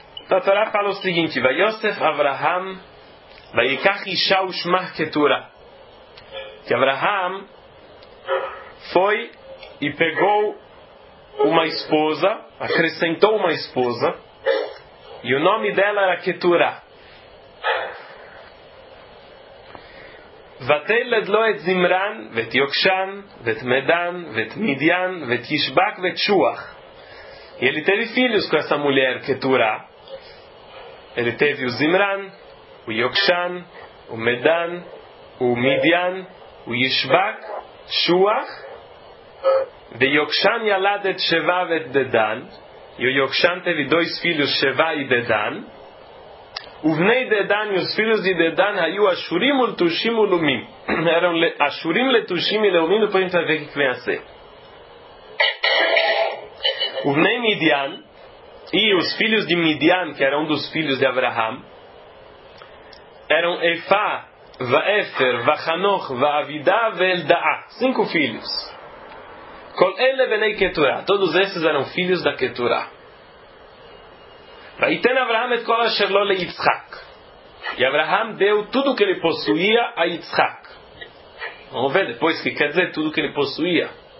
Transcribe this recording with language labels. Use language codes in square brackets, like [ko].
[pt] A Torá fala o seguinte: [he] Vai Yosef Avraham, vai Ikach Isha Ushmah Keturah. [pt] Que Avraham foi e pegou uma esposa, acrescentou uma esposa, e o nome dela era Keturah. [he] ותלד לו את זמרן ואת יוקשן ואת מדן ואת מדיין ואת ישבק ואת שוח. [pt] Ele teve filhos com essa mulher Ketura. Ele teve o Zimran, o Yokshan, o Medan, o Midian, o Yishbak, Shuach, e [he] Yokshan yalad et Sheva ve'et Dedan. [pt] E o Yokshan teve dois filhos, Sheva e Dedan. [he] ובני דדן, [pt] os filhos de Dedan, [he] היו אשורים ולטושים ולאומים. [pt] Eram [he] אשורים לטושים ולאומים, [pt] depois a gente vai ver o que vem a ser. [he] ובני מדיאן, [pt] e os filhos de Midian, que eram dos filhos de Abraham, eram Efa, ואפר, וחנוך, ואבידה, ואלדאה. Cinco filhos. [he] כל אלה בני קטורה. [pt] Todos esses eram filhos da Ketura. [he] ויתן אברהם את כל אשר לו ליצחק. [pt] E Abraham deu tudo que ele possuía a Yitzhak. Vamos ver depois o que quer dizer tudo que ele possuía.